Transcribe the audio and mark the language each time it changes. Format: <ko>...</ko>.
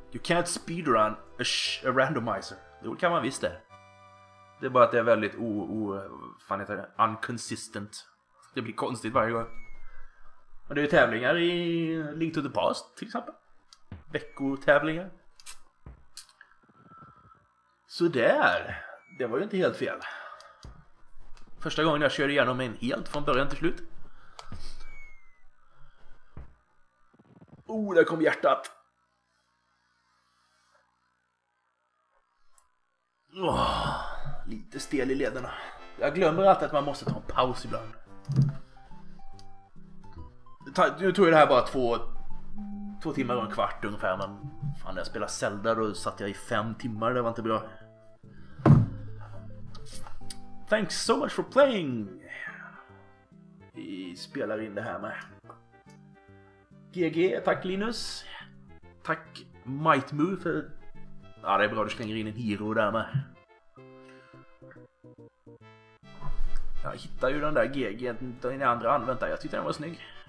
<en>You can't speedrun a randomizer.</en> <sv>Det kan man visst det. Det är bara att det är väldigt fan heter det? Unconsistent. Det blir konstigt varje gång. Men det är ju tävlingar i Link to the Past till exempel. Veckotävlingar. Sådär. Det var ju inte helt fel. Första gången jag körde igenom en helt från början till slut. Där kom hjärtat. Lite stel i lederna. Jag glömmer alltid att man måste ta en paus ibland. Nu tog jag det här bara två timmar och en kvart ungefär. Men fan, när jag spelade Zelda då satt jag i 5 timmar. Det var inte bra.</sv> <en>Thanks so much for playing.</en> <sv>Vi spelar in det här med GG, tack Linus. Tack Mightmoo för... Ja, det är bra, du slänger in en hero där med. Jag hittar ju den där GG. Den andra använder, jag tyckte den var snygg.</sv>